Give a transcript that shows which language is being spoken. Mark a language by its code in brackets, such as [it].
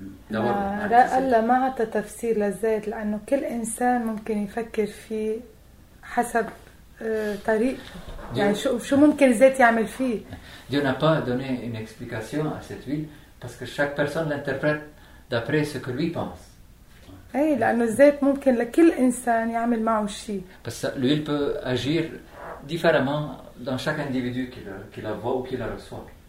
[ar] مزار لما عطى تفسير للزيت لأنه كل إنسان ممكن يفكر فيه حسب طريق يعني شو ممكن الزيت يعمل فيه. [fr] Dieu n'a pas donné une explication à cette huile parce que chaque personne l'interprète d'après ce que lui pense. [ar] أي لأنه الزيت ممكن لكل إنسان يعمل معه شيء. [fr] Parce que l'huile peut agir différemment dans chaque individu qui la voit ou qui la reçoit.